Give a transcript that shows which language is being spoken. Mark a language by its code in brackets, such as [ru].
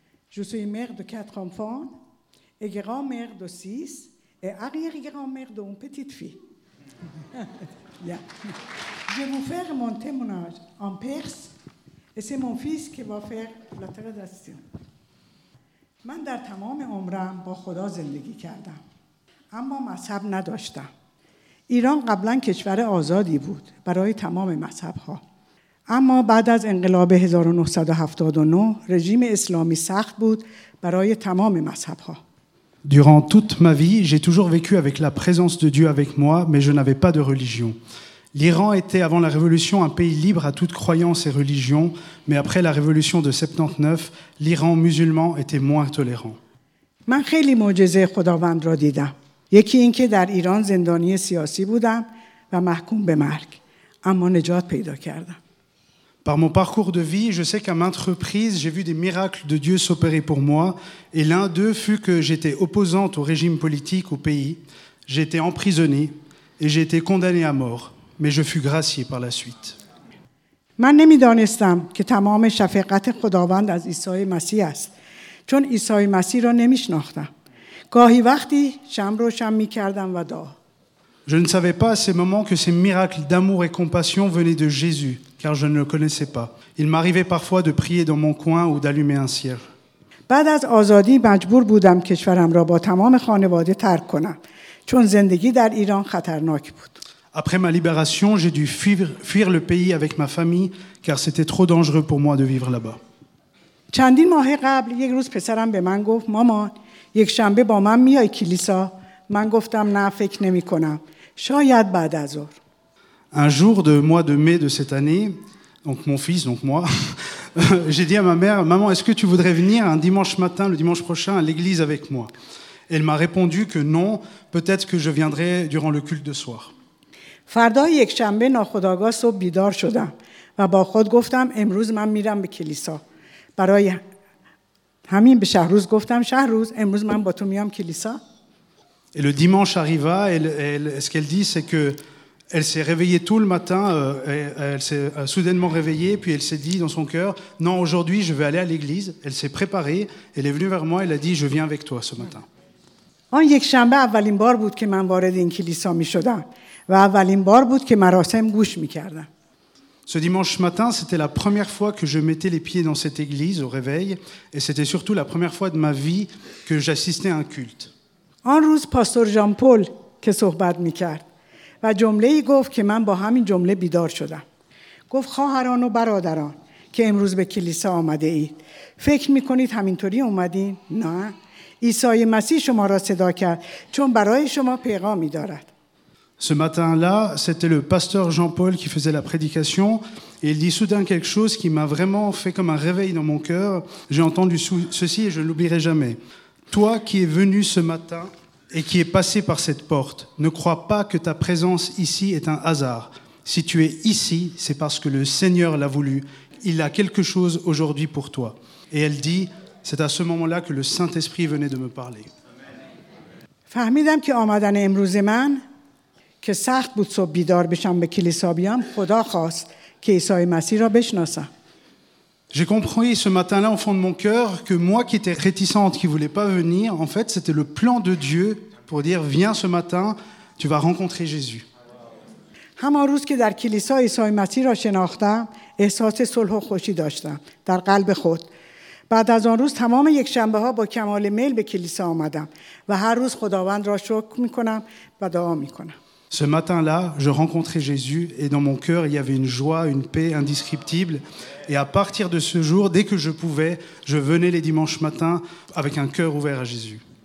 [fr] Je suis mère de 4 enfants et grand-mère de 6 et arrière-grand-mère d'une petite fille. Yeah. Je vais vous faire mon témoignage en perse et c'est mon fils qui va faire la traduction. [fa] من در تمام عمرم با خدا زندگی کردم اما مذهب نداشتم. ایران قبلا کشور آزادی بود برای تمام مذهب‌ها، اما بعد از انقلاب 1979 رژیم اسلامی سخت بود برای تمام مذهب‌ها. [fr] Durant toute ma vie, j'ai toujours vécu avec la présence de Dieu avec moi, mais je n'avais pas de religion. L'Iran était avant la révolution un pays libre à toute croyance et religion, mais après la révolution de 79, l'Iran musulman était moins tolérant. [fa] من خیلی معجزه خداوند را دیدم. یکی اینکه در ایران زندانی سیاسی بودم و محکوم به مرگ، اما نجات پیدا کردم. [fr] Par mon parcours de vie, je sais qu'à maintes reprises, j'ai vu des miracles de Dieu s'opérer pour moi, et l'un d'eux fut que j'étais opposante au régime politique au pays, j'étais emprisonnée et j'ai été condamnée à mort. Mais je fus gracié par la suite. [fa] من نمی‌دانستم که تمام شفقت خداوند از عیسی مسیح است، چون عیسی مسیح را نمی‌شناختم. گاهی وقتی شم روشن می‌کردم و دعا. [fr] Je ne savais pas à ces moments que ces miracles d'amour et compassion venaient de Jésus, car je ne le connaissais pas. Il m'arrivait parfois de prier dans mon coin ou d'allumer un cierge. [fa] بعد از آزادی مجبور بودم کشورم را با تمام خانواده ترک کنم، چون زندگی در ایران خطرناک بود. [fr] Après ma libération, j'ai dû fuir le pays avec ma famille car c'était trop dangereux pour moi de vivre là-bas. [fa] چندین ماه قبل یک روز پسرم به من گفت مامان یک شنبه با من میای کلیسا؟ من گفتم نه فکر نمی کنم شاید بعد از ظهر. [fr] Un jour de mois de mai de cette année, donc mon fils, donc moi, j'ai dit à ma mère, maman, est-ce que tu voudrais venir un dimanche matin, le dimanche prochain à l'église avec moi? Elle m'a répondu que non, peut-être que je viendrai durant le culte de soir. [fa] فردا یک شنبه ناخودآگاه صبح بیدار شدم و با خود گفتم امروز من میرم به کلیسا. برای همین به شهروز گفتم شهروز امروز من با تو میام کلیسا. [fr] Et le dimanche arriva, ce qu'elle dit c'est que elle s'est réveillée tout le matin, elle s'est soudainement réveillée puis elle s'est dit dans son cœur non aujourd'hui je vais aller à l'église. Elle s'est préparée, elle est venue vers moi, elle a dit je viens avec toi ce matin. [fa] آن یک شنبه اولین بار بود که من وارد این کلیسا میشدم و اولین بار بود که مراسم گوش میکردم. [fr] Ce dimanche matin, c'était la première fois que je mettais les pieds dans cette église au réveil et c'était surtout la première fois de ma vie que j'assistais à un culte. [fa] آن روز پاستور ژان پل که صحبت میکرد و جمله ای گفت که من با همین جمله بیدار شدم. گفت خواهران و برادران که امروز به کلیسا آمده اید، فکر میکنید همینطوری اومدین؟ نه. عیسی مسیح شما را صدا کرد چون برای شما پیغامی دارد. [fr] Ce matin-là, c'était le pasteur Jean-Paul qui faisait la prédication et il dit soudain quelque chose qui m'a vraiment fait comme un réveil dans mon cœur. J'ai entendu ceci et je ne l'oublierai jamais. Toi qui es venu ce matin et qui es passé par cette porte, ne crois pas que ta présence ici est un hasard. Si tu es ici, c'est parce que le Seigneur l'a voulu. Il a quelque chose aujourd'hui pour toi. Et elle dit, c'est à ce moment-là que le Saint-Esprit venait de me parler. Amen. [fa] که سخت بود صبح بیدار بشم به کلیسا بیام، خدا خواست که عیسی مسیح را بشناسم. [fr] J'ai compris ce matin-là au fond de mon cœur que moi qui étais réticente, qui voulais pas venir, en fait, c'était le plan de Dieu pour dire viens ce matin, tu vas rencontrer Jésus. [fa] همان روز که در کلیسا عیسی مسیح را شناختم، احساس صلح و خوشی داشتم در قلب خود. بعد از آن روز تمام یک شنبه ها با کمال میل به کلیسا آمدم و هر روز خداوند را شکر می‌کنم و دعا می‌کنم. [fr] Ce matin-là, je rencontrais Jésus et dans mon cœur, il y avait une joie, une paix indescriptible. Et à partir de ce jour, dès que je pouvais, je venais les dimanches matins avec un cœur ouvert à Jésus.